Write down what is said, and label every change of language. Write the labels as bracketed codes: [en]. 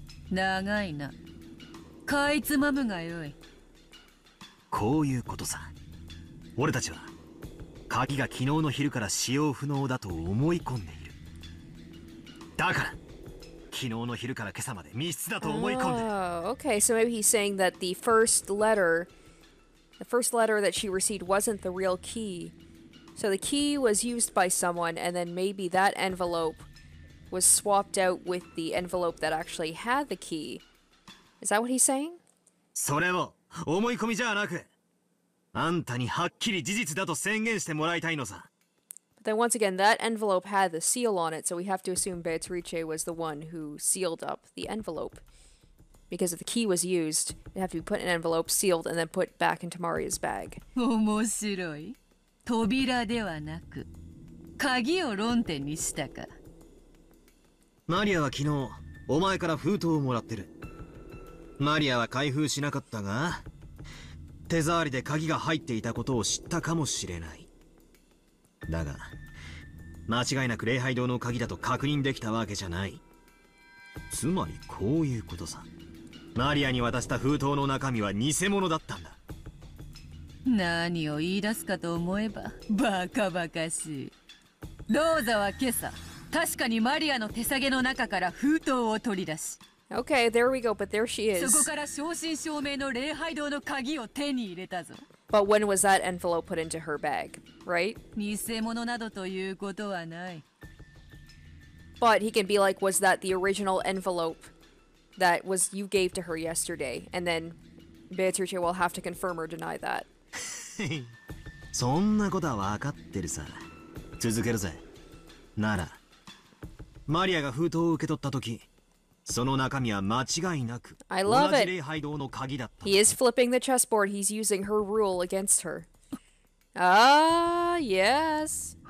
[ja] 長いな、かいつまむがよい。こういうことさ、俺たちは鍵が昨日の昼から使用不能だと思い込んでいる。だから昨日の昼から今朝まで密室だと思い込んで。 [en] Okay, so maybe he's saying that the first letter that she received wasn't the real key. So the key was used by someone, and then maybe that envelope was swapped out with the envelope that actually had the key. Is that what he's saying? [ja] それを思い込みじゃなく、あんたにはっきり事実だと宣言してもらいたいのさ。 [en] Then once again, that envelope had the seal on it, so we have to assume Beatrice was the one who sealed up the envelope. Because if the key was used, it had to be put in an envelope, sealed, and then put back into Maria's bag. [ja] 面白い。扉ではなく、鍵を論点にしたか。マリアは昨日、お前から封筒をもらってる。マリアは開封しなかったが、手触りで鍵が入っていたことを知ったかもしれない。だが、間違いなく礼拝堂の鍵だと確認できたわけじゃない。つまりこういうことさ。マリアに渡した封筒の中身は偽物だったんだ。何を言い出すかと思えば、バカバカしい。ローザは今朝、確かにマリアの手提げの中から封筒を取り出し。 [en] Okay, there we go, but there she is. [ja] そこから正真正銘の礼拝堂の鍵を手に入れたぞ。 [en] But when was that envelope put into her bag, right? [ja] 偽物などということはない。 [en] But he can be like, was that the original envelope that was you gave to her yesterday? And then Beatrice will have to confirm or deny that. [ja] そんなことはわかってるさ。続けるぜ。なら、マリアが封筒を受け取ったとき、その中身は間違いなく同じ礼拝堂の鍵だった。 [en] He is flipping the chessboard. He's using her rule against her. Ah, yes.